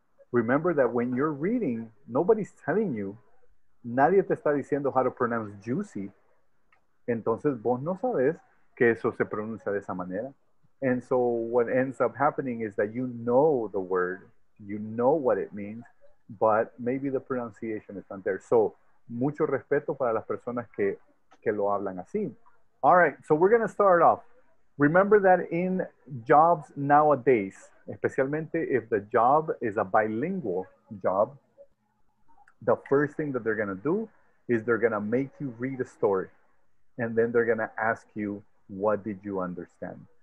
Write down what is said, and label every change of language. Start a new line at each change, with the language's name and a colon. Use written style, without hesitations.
English: Remember that when you're reading, nobody's telling you,
Spanish: nadie te está diciendo
English: how to pronounce juicy.
Spanish: Entonces, vos no sabes que eso se pronuncia de esa manera.
English: And so what ends up happening is that you know the word, you know what it means, but maybe the pronunciation is not there.
Spanish: So, mucho respeto para las personas que lo hablan así.
English: All right, so we're going to start off. Remember that in jobs nowadays,
Spanish: especialmente
English: if the job is a bilingual job, the first thing that they're going to do is they're going to make you read a story. And then they're going to ask you, what did you understand?